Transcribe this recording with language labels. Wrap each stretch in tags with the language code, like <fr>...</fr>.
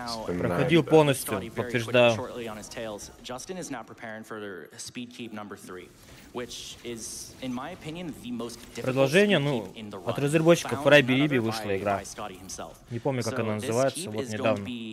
<ru>проходил полностью, подтверждаю.</ru> <en>Джастин is now preparing for their speed keep number 3. Which is, in my opinion, the most difficult</en> <ru>продолжение, ну, от разработчиков Райби Риби вышла игра. Не помню, как она называется, вот недавно.</ru>